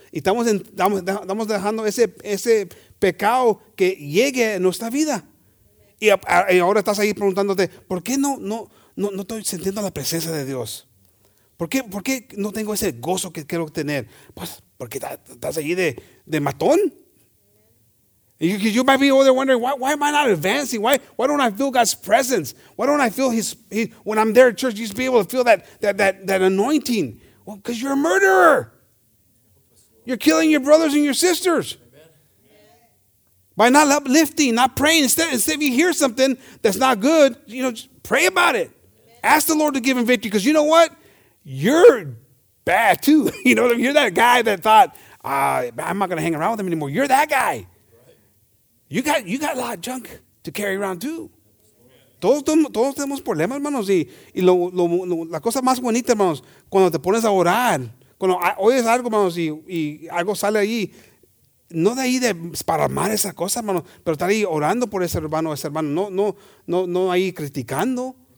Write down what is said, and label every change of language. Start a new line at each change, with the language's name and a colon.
Spanish: Y estamos dejando ese pecado que llegue a nuestra vida. Y ahora estás ahí preguntándote, ¿por qué no estoy sintiendo la presencia de Dios? ¿Por qué no tengo ese gozo que quiero tener? Pues porque estás allí de matón.
English: You might be over there wondering, why am I not advancing? Why don't I feel God's presence? Why don't I feel He when I'm there at church, you should be able to feel that anointing. Well, because you're a murderer. You're killing your brothers and your sisters. Amen. By not uplifting, not praying. Instead, if you hear something that's not good, you know, just pray about it. Amen. Ask the Lord to give him victory. Because you know what? You're bad too. You know, you're that guy that thought, I'm not going to hang around with him anymore. You're that guy. You got a lot of junk to carry around too.
Spanish: Todos tenemos problemas, hermanos. Y la cosa más bonita, hermanos, cuando te pones a orar, cuando oyes algo, hermanos, y algo sale ahí, no de ahí de esparramar esa cosa, hermanos, pero estar ahí orando por ese hermano, no ahí criticando.